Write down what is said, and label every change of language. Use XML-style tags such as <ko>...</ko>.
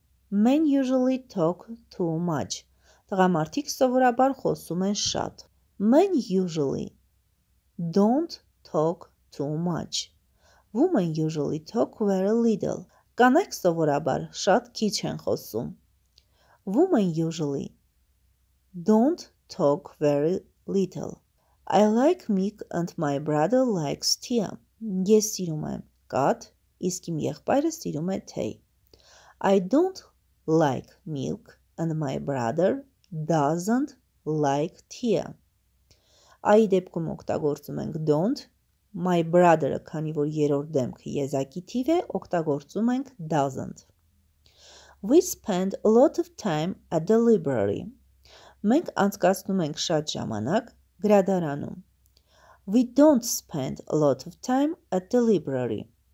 <en>Men usually talk too much.</en> <hy>Տղամարդիկ սովորաբար խոսում են շատ.</hy> <en>Men usually don't talk too much. Women usually talk very little.</en> <hy>Կանայք սովորաբար շատ քիչ են խոսում.</hy> <en>Women usually don't talk very little. I like milk and my brother likes tea.</en> <hy>Ես սիրում եմ կաթ, իսկ իմ եղբայրը սիրում է թեյ.</hy> <en>I don't like milk and my brother doesn't like tea.</en> <hy>Այի դեպքում օգտագործում ենք don't My brother-ը, քանի որ երրորդ դեմքը եզակի թիվ է, օգտագործում ենք doesn't.</hy> <en>We spend a lot of time at the library.</en> <hy>Մենք անցկացնում ենք շատ ժամանակ գրադարանում.</hy> <en>We don't spend a lot of time at the library.</en>